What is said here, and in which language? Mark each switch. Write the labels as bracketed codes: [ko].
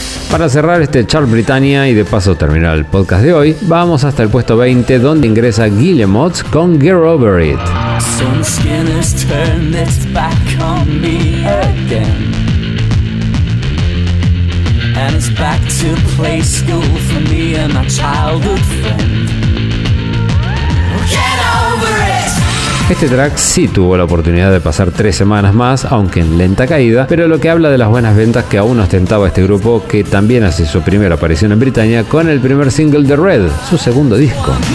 [es] Para cerrar este Chart Britannia y de paso terminar el podcast de hoy, vamos hasta el puesto 20, donde ingresa Guillemot con Get Over It. [en] Some skin has turned its back on me again, and it's back to play school for me and my childhood friend. Get over it. [es] Este track sí tuvo la oportunidad de pasar 3 semanas más, aunque en lenta caída, pero lo que habla de las buenas ventas que aún ostentaba este grupo, que también hace su primera aparición en Britania con el primer single de Red, su segundo disco.